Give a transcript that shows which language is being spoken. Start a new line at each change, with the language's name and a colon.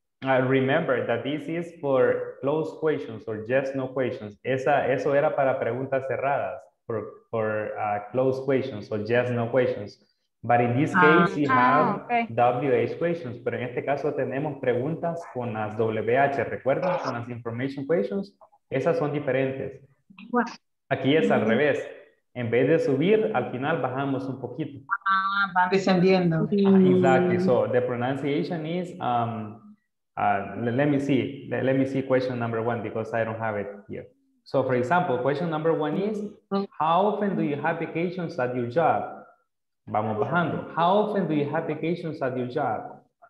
English: Remember that this is for closed questions or yes, no questions.
Spanish: Eso era para preguntas cerradas,
English: for closed questions or yes, no questions. But in this case, you have WH questions.
Spanish: Pero en este caso tenemos preguntas con las WH, ¿recuerdas? Con las
English: information questions.
Spanish: Esas son diferentes. Aquí es al revés. En vez de subir, al final bajamos un poquito. Van descendiendo.
English: Exactly. So the pronunciation is, let me see question number one, because I don't have it here. So for example, question number one is, how often do you have vacations at your job?
Spanish: Vamos bajando.
English: How often do you have vacations at your job?